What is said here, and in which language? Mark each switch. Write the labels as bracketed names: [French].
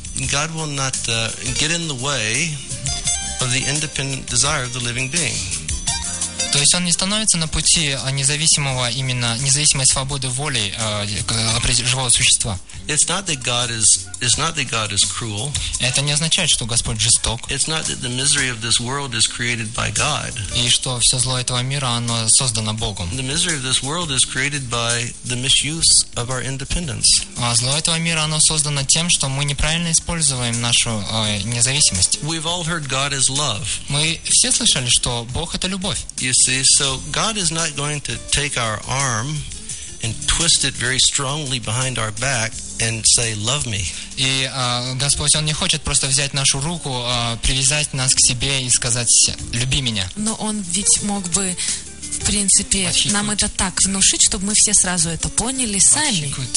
[English] God will not get in the way of the independent desire of the living being. [Russian] То есть он не становится на пути независимого именно независимой свободы воли живого существа. [English] It's not that God is cruel. [Russian] Это не означает, что Господь жесток. [English] It's not that the misery of this world is created by God. [Russian] И что все зло этого мира оно создано Богом. [English] The misery of this world is created by the misuse of our independence. [Russian] А зло этого мира оно создано тем, что мы неправильно используем нашу независимость. [English] We've all heard God is love. [Russian] Мы все слышали, что Бог это любовь. [English] You see, so God is not going to take our arm and twist it very strongly behind our back and say, "Love me." [Russian] И Господь, Он не хочет просто взять нашу руку, привязать нас к себе и сказать, "Люби меня." Но Он ведь мог бы, в принципе, [English] could, [Russian] нам это так внушить, чтобы мы все сразу это поняли сами.